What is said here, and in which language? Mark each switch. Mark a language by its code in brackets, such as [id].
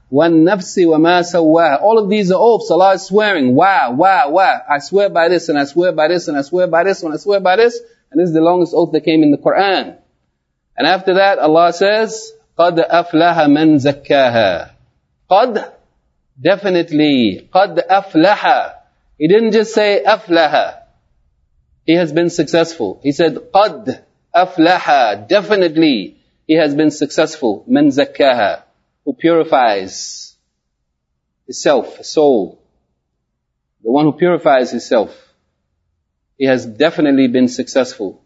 [ar] وَالنَّفْسِ وَمَا سَوَّاهَا. [en] All of these are oaths. Allah is swearing. I swear by this, and I swear by this, and I swear by this, and I swear by this. And this is the longest oath that came in the Quran. And after that, Allah says, [ar] قَدْ أَفْلَحَ مَنْ زَكَّاهَا. قَدْ, [en] definitely, [ar] قَدْ أَفْلَحَ. [en] He didn't just say [ar] أَفْلَحَ. [en] He has been successful. He said, [ar] قَدْ أَفْلَحَ. [en] Definitely, he has been successful. [ar] مَنْ زَكَّاهَا. [en] Who purifies itself, soul. The one who purifies himself, he has definitely been successful.